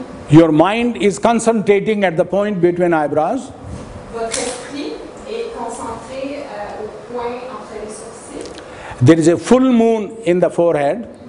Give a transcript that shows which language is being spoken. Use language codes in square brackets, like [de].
[en] Your mind is concentrating at the point between eyebrows. [fr] Votre esprit est concentré au point entre les sourcils. [en] There is a full moon in the forehead.